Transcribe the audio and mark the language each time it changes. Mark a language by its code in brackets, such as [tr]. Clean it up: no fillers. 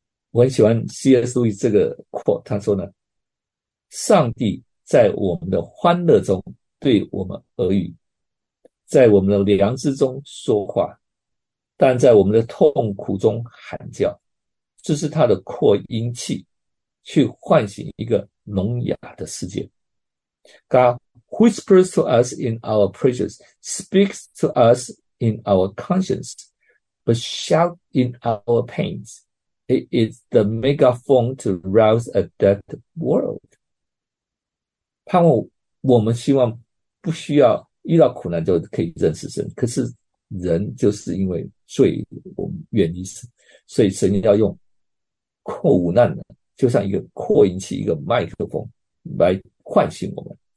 [zh] 我很喜欢 C.S. Lewis 这个 quote，他说呢，上帝在我们的欢乐中对我们耳语，在我们的良知中说话，但在我们的痛苦中喊叫，这是他的扩音器，去唤醒一个聋哑的世界。 [en] God whispers to us in our prayers, speaks to us in our conscience, but shouts in our pains. It is the megaphone to rouse a dead world. [zh] 盼望我们希望不需要遇到苦难就可以认识神，可是人就是因为罪，我们远离神，所以神要用苦难呢，就像一个扩音器、一个麦克风来唤醒我们。